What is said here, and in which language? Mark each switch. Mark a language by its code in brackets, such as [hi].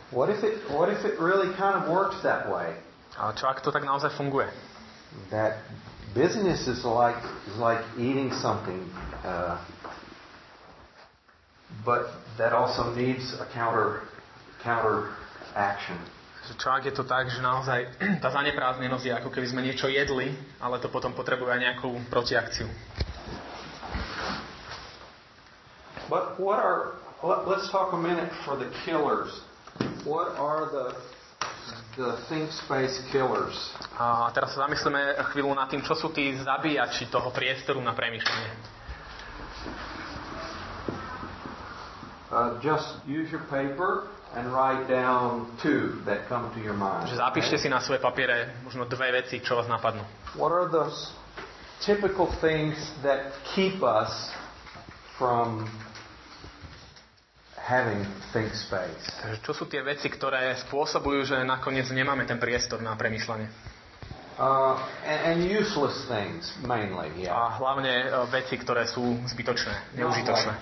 [en] What if it really kind of works that way? [sk] A čo ak to tak naozaj funguje? [en] That business is like eating something but that also needs a counter action. [sk] Čo ak je to tak, že naozaj tá zaneprázdnenosť je ako keby sme niečo jedli, ale to potom potrebuje aj nejakú protiakciu. [en] But what are, let's talk a minute for the killers. What are the think space killers? [sk] A teraz sa zamyslíme chvíľu nad tým, čo sú tí zabíjači toho priestoru na premýšľanie. [en] Just use your paper and write down two that come to your mind. [sk] Že zapíšte si na svoje papiere možno dve veci, čo vás napadnú. [en] What are those typical things that keep us from having think space? [sk] Takže čo sú tie veci, ktoré spôsobujú, že nakoniec nemáme ten priestor na premýšľanie? [en] And useless things mainly, yeah. [sk] A hlavne veci, ktoré sú zbytočné, neužitočné.